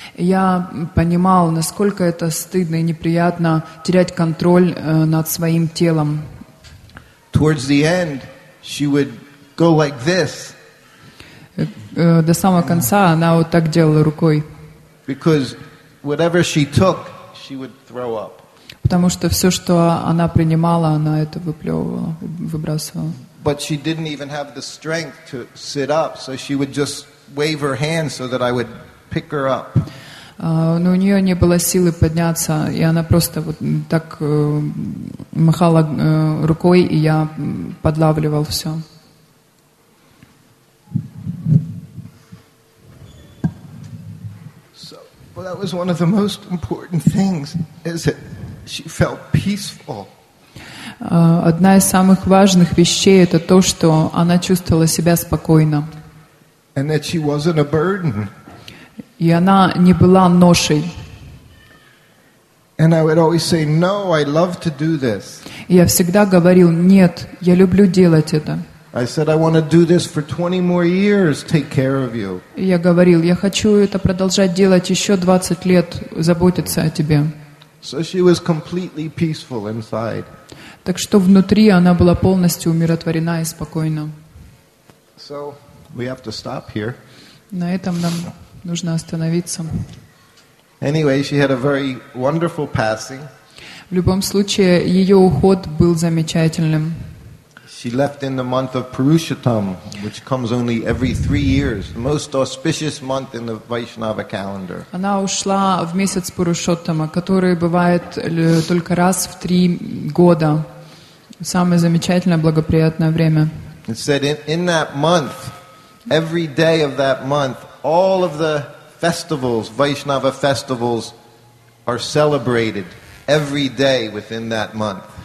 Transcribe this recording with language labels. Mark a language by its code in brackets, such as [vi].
[ru] Я понимал, насколько это стыдно и неприятно терять контроль над своим телом. [en] Towards the end, she would go like this. [ru] До самого конца она вот так делала рукой. [en] Because whatever she took, she would throw up. [ru] Потому что все, что она принимала, она это выплевывала, выбрасывала. [en] But she didn't even have the strength to sit up, so she would just wave her hand so that I would pick her up. [ru] Но у нее не было силы подняться, и она просто вот так махала рукой, и я подлавливал все. [en] So, well, that was one of the most important things, is it? She felt peaceful. [ru] Одна из самых важных вещей это то, что она чувствовала себя спокойно. [en] And that she wasn't a burden. [ru] И она не была ношей. [en] And I would always say, "No, I love to do this." [ru] Я всегда говорил, "Нет, я люблю делать это." [en] I said, I want to do this for 20 more years, take care of you. [ru] Я говорил, я хочу это продолжать делать еще 20 лет, заботиться о тебе. [en] So she was completely peaceful inside. [ru] Так что внутри она была полностью умиротворена и спокойна. [en] So we have to stop here. [ru] На этом нам нужно остановиться. [en] Anyway, she had a very wonderful passing. [ru] В любом случае, ее уход был замечательным. [en] She left in the month of Purushottam, which comes only every 3 years, the most auspicious month in the Vaishnava calendar. [ru] Она ушла в месяц Пурушоттама, который бывает только раз в три года. Самое замечательное, благоприятное время. [en] It said in that month, every day of that month, all of the festivals, Vaishnava festivals, are celebrated every day within that month.